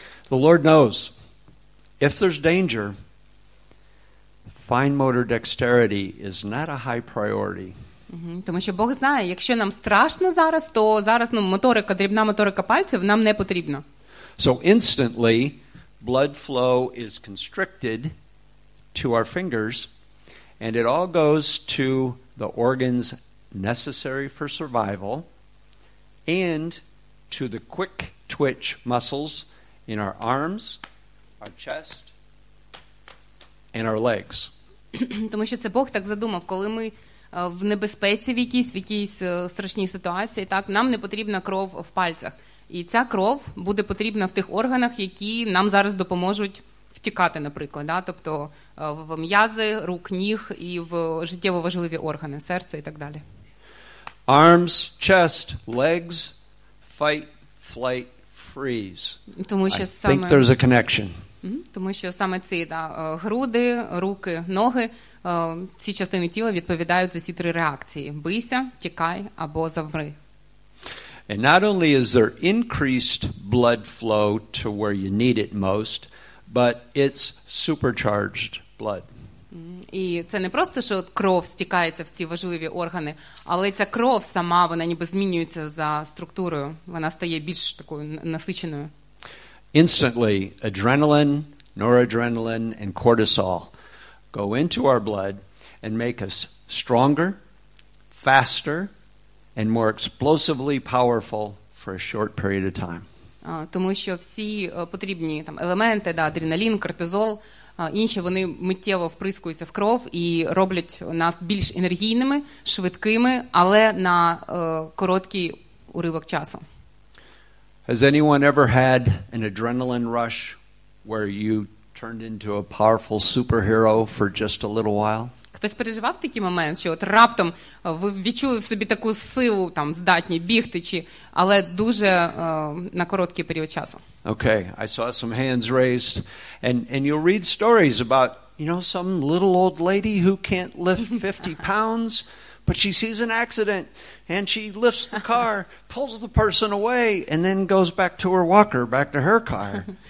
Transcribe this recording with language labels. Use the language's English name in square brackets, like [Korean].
[English] The Lord knows, if there's danger, fine motor dexterity is not a high priority. [Ukrainian] Тому що Бог знає, якщо нам страшно зараз, то зараз, ну, моторика, дрібна моторика пальців нам не потрібна. [English] So instantly, blood flow is constricted to our fingers, and it all goes to the organs necessary for survival and to the quick twitch muscles in our arms, our chest, and our legs. [Ukrainian] Тому що це Бог так задумав, коли ми в небезпеці в якійсь страшній ситуації, так, нам не потрібна кров в пальцях. І ця кров буде потрібна в тих органах, які нам зараз допоможуть втікати, наприклад, да, тобто в м'язи рук, ніг і в життєво важливі органи, серце і так далі. [English] Arms, chest, legs, fight, flight, freeze. [Ukrainian] Тому що [English] I think there's a connection. [Ukrainian] Тому що саме ці, да, груди, руки, ноги, ці частини тіла відповідають за ці три реакції: бийся, тікай або завмри. [English] And not only is there increased blood flow to where you need it most, but it's supercharged blood. [Ukrainian] І це не просто, що кров стікається в ці важливі органи, але ця кров сама, вона ніби змінюється за структурою, вона стає більш такою насиченою. [English] Instantly, adrenaline, noradrenaline, and cortisol go into our blood and make us stronger, faster, and more explosively powerful for a short period of time. [Ukrainian] Тому що всі потрібні там елементи, да, адреналін, кортизол, інші, вони миттєво вприскуються в кров і роблять нас більш енергійними, швидкими, але на короткий уривок часу. [English] Has anyone ever had an adrenaline rush where you turned into a powerful superhero for just a little while? [Ukrainian] Хтось переживав такий момент, що от раптом ви відчули в собі таку силу, там, здатні бігти, чи, але дуже на короткий період часу. [English] Okay, I saw some hands raised. And you'll read stories about, you know, some little old lady who can't lift 50 pounds, but she sees an accident, and she lifts the car, pulls the person away, and then goes back to her walker, back to her car.